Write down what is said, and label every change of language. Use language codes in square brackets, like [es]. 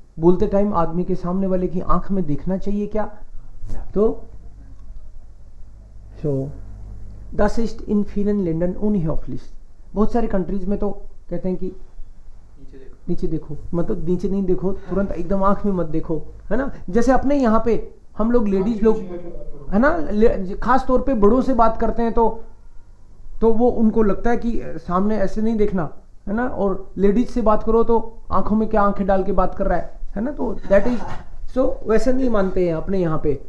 [hi] बोलते टाइम आदमी के सामने वाले की आंख में देखना चाहिए क्या? [de] तो so das ist in vielen Ländern unhöflich. [hi] बहुत सारे कंट्रीज में तो कहते हैं कि नीचे देखो, मतलब नीचे नहीं देखो, तुरंत एकदम आंख में मत देखो, है ना. जैसे अपने यहाँ पे हम लोग लेडीज लोग है ना खास तौर पे बड़ों से बात करते हैं तो वो उनको लगता है कि सामने ऐसे नहीं देखना, है ना. और लेडीज से बात करो तो आंखों में क्या आंखें डाल के बात कर रहा है ना. तो [en] that is so [hi] वैसे नहीं मानते हैं अपने यहाँ पे.